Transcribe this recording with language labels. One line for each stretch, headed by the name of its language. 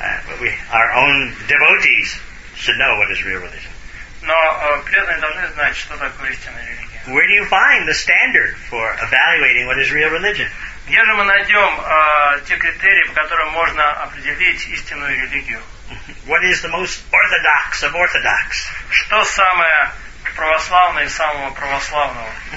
English: Our own devotees should know what is real religion.
Russian: Но преданные должны знать, что такое истинная религия.
English: Where do you find the standard for evaluating what is real religion?
Russian: Где же мы найдем те критерии, по которым можно определить истинную религию?
English: What is the most orthodox of orthodox?
Russian: Что самое православное из самого православного?